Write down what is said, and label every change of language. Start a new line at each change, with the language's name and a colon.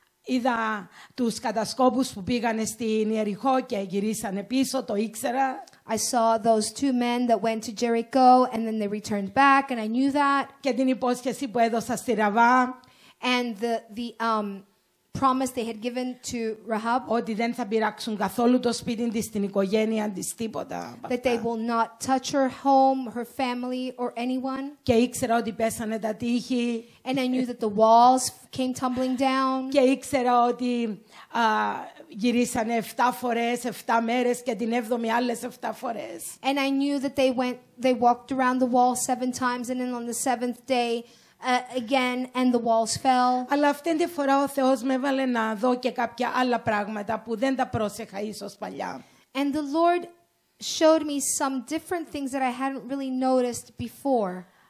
Greek: Είδα τους κατασκόπους που πήγανε στην Ιεριχώ και γυρίσανε πίσω, το ήξερα.
English: I saw those two men that went to Jericho and then they returned back and I knew that.
Greek: Και την υπόσχεση που έδωσα στη Ραβά.
English: And the promise they had given to Rahab,
Greek: ότι δεν θα πειράξουν καθόλου το σπίτι της, την οικογένεια της, τίποτα.
English: That they will not touch her home, her family, or anyone.
Greek: Και ήξερα ότι πέσανε τα τείχη.
English: And I knew that the walls came tumbling down.
Greek: Και ήξερα ότι γυρίσανε 7 φορές, 7 μέρες και την 7η άλλες 7 φορές.
English: And I knew that they walked around the wall 7 times and then on the 7th day again and the walls fell.
Greek: Αλλά αυτήν τη φορά ο Θεός με έβαλε να δω και κάποια άλλα πράγματα που δεν τα πρόσεχα ίσως παλιά.
English: And the Lord showed me some different things that I hadn't really noticed before.